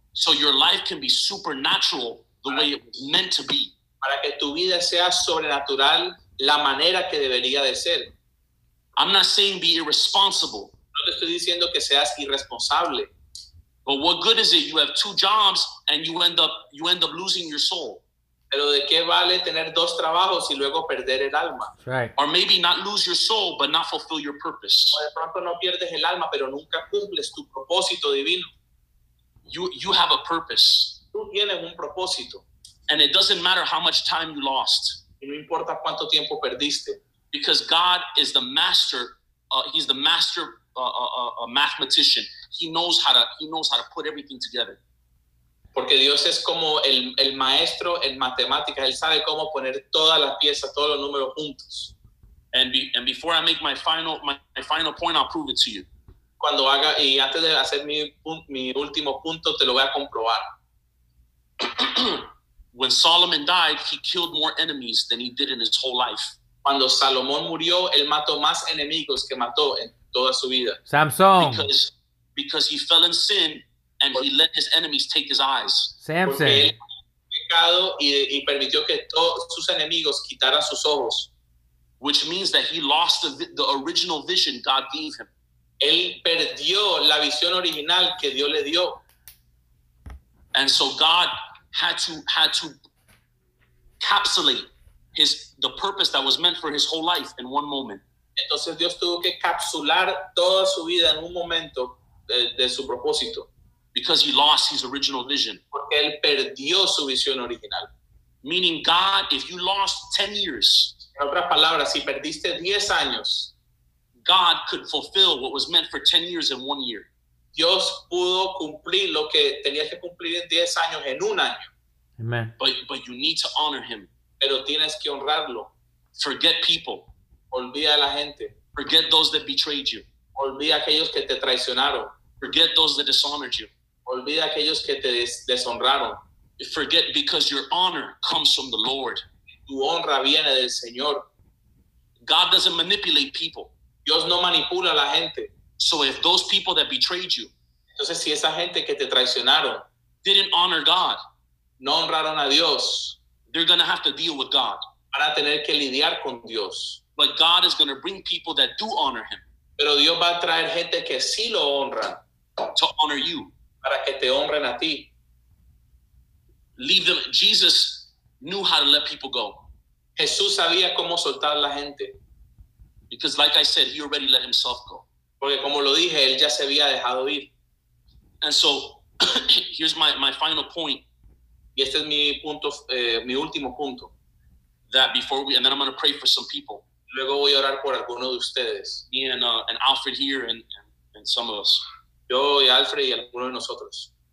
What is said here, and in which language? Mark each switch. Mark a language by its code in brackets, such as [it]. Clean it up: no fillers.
[en] So your life can be supernatural the way it was meant to be. [es] Para que tu vida sea sobrenatural la manera que debería de ser. [en] I'm not saying be irresponsible. [es] No te estoy diciendo que seas irresponsable. [en] But what good is it? You have two jobs and you end up losing your soul. [es] Pero de qué vale tener dos trabajos y luego perder el alma. [en] Right. Or maybe not lose your soul but not fulfill your purpose. [es] O de pronto no pierdes el alma pero nunca cumples tu propósito divino. [en] You have a purpose. [es] Tú tienes un propósito. [en] And it doesn't matter how much time you lost. [es] Y no importa cuánto tiempo perdiste. [en] Because God is the master. He's the master a mathematician. He knows how to put everything together. [es] Porque Dios es como el maestro en matemáticas. Él sabe cómo poner todas las piezas, todos los números juntos. [en] And before I make my final point, I'll prove it to you. [es] Cuando haga y antes de hacer mi último punto, te lo voy a comprobar. [en] When Solomon died, he killed more enemies than he did in his whole life. [es] Cuando Salomón murió, él mató más enemigos que mató en toda su vida. [en] Samson. Because he fell in sin. And he let his enemies take his eyes. Samson. [es] Y permitió que todos sus enemigos quitaran sus ojos. [en] Which means that he lost the original vision God gave him. [es] Él perdió la visión original que Dios le dio. [en] And so God had to encapsulate the purpose that was meant for his whole life in one moment. [es] Entonces Dios tuvo que capsular toda su vida en un momento de su propósito. [en] Because he lost his original vision. [es] Porque él perdió su visión original. [en] Meaning God, if you lost 10 years. [es] En otras palabras, si perdiste 10 años. [en] God could fulfill what was meant for 10 years in 1 year. [es] Dios pudo cumplir lo que tenías que cumplir en 10 años en un año. [en] Amen. But you need to honor him. [es] Pero tienes que honrarlo. [en] Forget people. [es] Olvida a la gente. [en] Forget those that betrayed you. [es] Olvida a aquellos que te traicionaron. [en] Forget those that dishonored you. [es] Olvida aquellos que te deshonraron. [en] Forget because your honor comes from the Lord. [es] Tu honra viene del Señor. [en] God doesn't manipulate people. [es] Dios no manipula a la gente. [en] So if those people that betrayed you. [es] Entonces si esa gente que te traicionaron. [en] Didn't honor God. [es] No honraron a Dios. [en] They're going to have to deal with God. [es] Van a tener que lidiar con Dios. [en] But God is going to bring people that do honor him. [es] Pero Dios va a traer gente que sí lo honra. [en] To honor you. Para que te honren a ti. Leave them. Jesus knew how to let people go. [es] Jesús sabía cómo soltar a la gente. [en] Because like I said, he already let himself go. [es] Porque como lo dije, él ya se había dejado ir. [en] And so, here's my final point. [es] Y este es mi punto, mi último punto. [en] That before we, and then I'm going to pray for some people. [es] Luego voy a orar por alguno de ustedes. [en] Me and Alfred here and some of us. [es] Yo y Alfred y alguno de nosotros.